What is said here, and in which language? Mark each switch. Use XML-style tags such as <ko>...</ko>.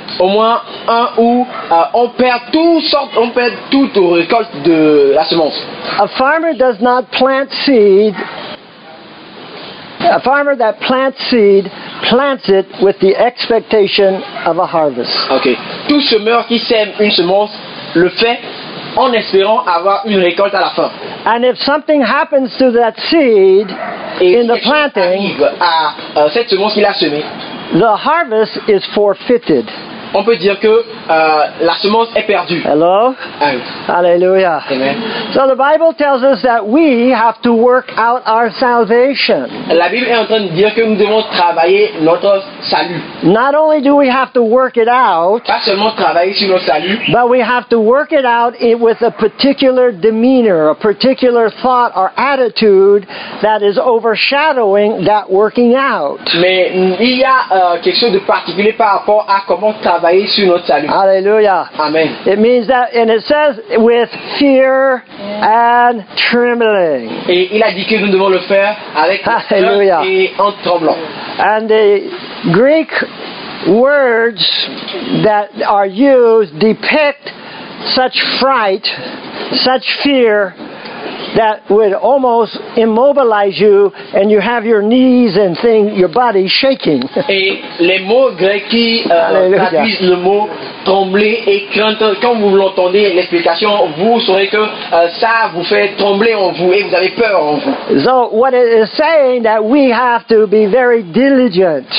<fr>Au moins un où on perd toute récolte de la semence.</fr> <en>A farmer does not plant seed. A farmer that plants seed plants it with the expectation of a harvest. Okay.</en> <fr>Tout semeur qui sème une semence le fait en espérant avoir une récolte à la fin.</fr> <en>And if something happens to that seed in the planting,</en> <fr>cette semence qu'il a semée,</fr> <en>the harvest is forfeited.</en> <fr>On peut dire que la semence est perdue.</fr> <en>Hello? Alléluia. So the Bible tells us that we have to work out our salvation.</en> <fr>La Bible est en train de dire que nous devons travailler notre salut.</fr> <en>Not only do we have to work it out,</en> <fr>pas seulement travailler sur notre salut,</fr> <en>but we have to work it out with a particular demeanor, a particular thought or attitude that is overshadowing that working out.</en> <fr>Mais il y a quelque chose de particulier par rapport à comment travailler sur notre salut. Alléluia. Amen.</fr> <en>It means that, and it says with fear and trembling.</en> <fr>Et il a dit que nous devons le faire avec peur et en tremblant.</fr> <en>And the Greek words that are used depict such fright, such fear, that would almost immobilize you and you have your knees and thing, your body shaking.</en> <fr>Et les mots grecs qui traduisent le mot trembler et crainte, quand vous l'entendez l'explication, vous saurez que ça vous fait trembler en vous et vous avez peur en vous.</fr> <en>So what it is saying that we have to be very diligent.</en>